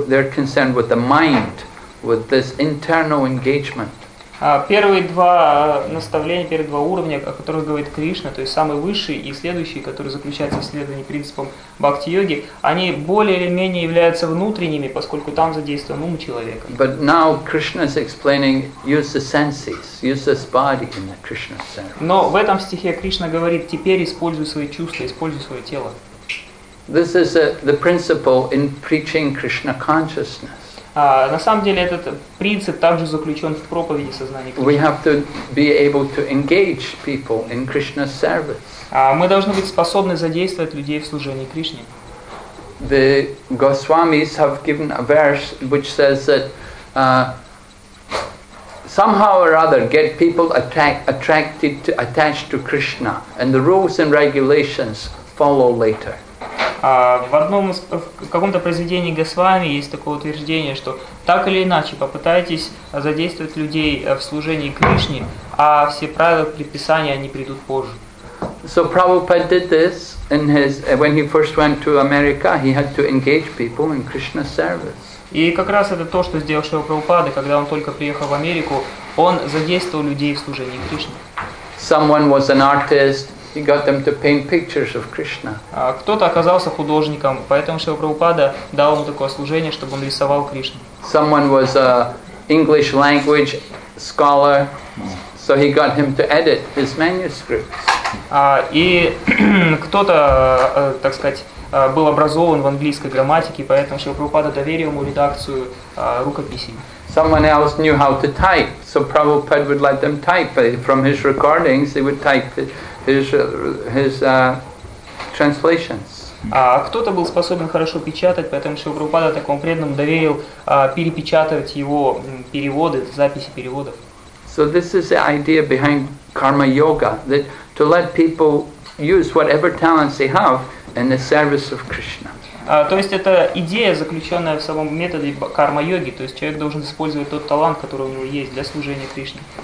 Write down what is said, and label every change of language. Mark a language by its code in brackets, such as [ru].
[en] They're concerned with the mind, with this internal engagement. [ru] Первые два уровня, о которых говорит Кришна, то есть самый высший и следующий, который заключается в следовании принципам бхакти-йоги, они более или менее являются внутренними, поскольку там задействован ум человека. [en] But now Krishna is explaining use the senses, use this body in the Krishna sense. [ru] Но в этом стихе Кришна говорит: теперь используй свои чувства, используй свое тело. [en] This is the principle in preaching Krishna consciousness. [ru] На самом деле этот принцип также заключен в проповеди сознания Кришны. [en] We have to be able to engage people in Krishna's service. [ru] Мы должны быть способны задействовать людей в служении Кришне. [en] The Goswamis have given a verse which says that somehow or other get people attached to Krishna, and the rules and regulations follow later. [ru] В каком-то произведении Госвами есть такое утверждение, что так или иначе попытайтесь задействовать людей в служении Кришне, а все правила предписания они придут позже. [en] So Prabhupada did this in his when he first went to America, he had to engage people in Krishna service. [ru] И как раз это то, что сделал Шрила Прабхупада, когда он только приехал в Америку, он задействовал людей в служении Кришне. [en] Someone was an artist. He got them to paint pictures of Krishna. [ru] Кто-то оказался художником, поэтому Шрила Прабхупада дал ему такое служение, чтобы он рисовал Кришну. [en] Someone was a English language scholar, so he got him to edit his manuscripts. [ru] И кто-то, так сказать, был образован в английской грамматике, поэтому Шрила Прабхупада доверил ему редакцию рукописей. [en] someone else knew how to type, so Prabhupada would let them type from his recordings. They would type his translations. [ru] Кто-то был способен хорошо печатать, поэтому Шрила Прабхупада такому преданному доверил перепечатывать его переводы, записи переводов. [en] So this is the idea behind karma yoga, that to let people use whatever talents they have in the service of Krishna. [ru] То есть это идея, заключенная в самом методе карма-йоги, то есть человек должен использовать тот талант, который у него есть для служения Кришне.